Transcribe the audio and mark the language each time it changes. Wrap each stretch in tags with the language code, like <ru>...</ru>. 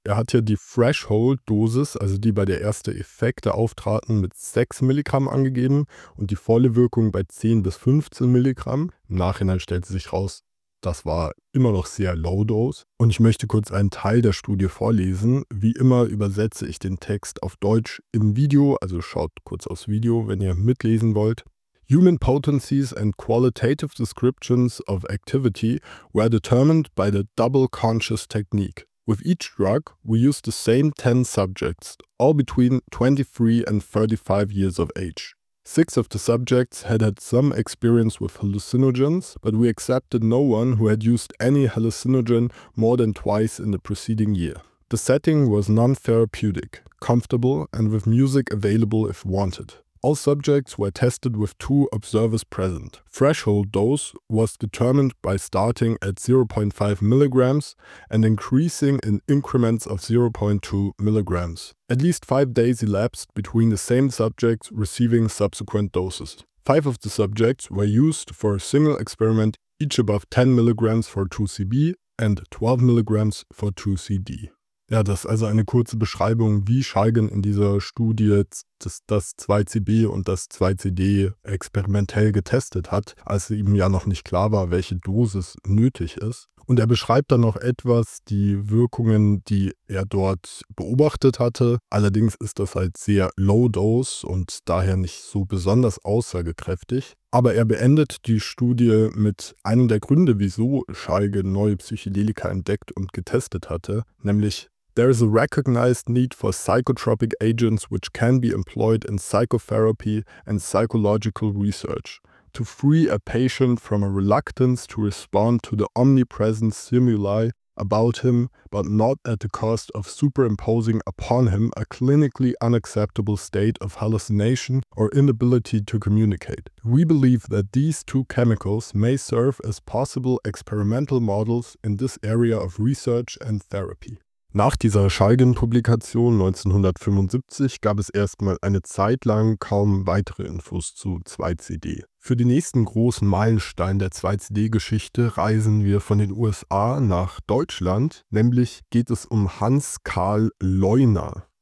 <de>Er hat hier die Threshold-Dosis, also die bei der ersten Effekte auftraten, mit 6 Milligramm angegeben und die volle Wirkung bei 10 bis 15 Milligramm. Im Nachhinein stellte sich raus, das war immer noch sehr low-dose. Und ich möchte kurz einen Teil der Studie vorlesen. Wie immer übersetze ich den Text auf Deutsch im Video, also schaut kurz aufs Video, wenn ihr mitlesen wollt.</de> <en>Human potencies and qualitative descriptions of activity were determined by the double conscious technique. With each drug, we used the same 10 subjects, all between 23 and 35 years of age. Six of the subjects had had some experience with hallucinogens, but we accepted no one who had used any hallucinogen more than twice in the preceding year. The setting was non-therapeutic, comfortable, and with music available if wanted. All subjects were tested with two observers present. Threshold dose was determined by starting at 0.5 milligrams and increasing in increments of 0.2 milligrams. At least 5 days elapsed between the same subjects receiving subsequent doses. Five of the subjects were used for a single experiment, each above 10 milligrams for 2CB and 12 milligrams for 2CD.</en> <de>Ja, das ist also eine kurze Beschreibung, wie Shulgin in dieser Studie das 2CB und das 2CD experimentell getestet hat, als ihm ja noch nicht klar war, welche Dosis nötig ist. Und er beschreibt dann noch etwas die Wirkungen, die er dort beobachtet hatte. Allerdings ist das halt sehr low dose und daher nicht so besonders aussagekräftig. Aber er beendet die Studie mit einem der Gründe, wieso Shulgin neue Psychedelika entdeckt und getestet hatte, nämlich:</de> <en>There is a recognized need for psychotropic agents which can be employed in psychotherapy and psychological research to free a patient from a reluctance to respond to the omnipresent stimuli about him, but not at the cost of superimposing upon him a clinically unacceptable state of hallucination or inability to communicate. We believe that these two chemicals may serve as possible experimental models in this area of research and therapy.</en> <de>Nach dieser Schalgen-Publikation 1975 gab es erstmal eine Zeit lang kaum weitere Infos zu 2CD. Für den nächsten großen Meilenstein der 2CD-Geschichte reisen wir von den USA nach Deutschland, nämlich geht es um Hans-Karl Leuner.</de>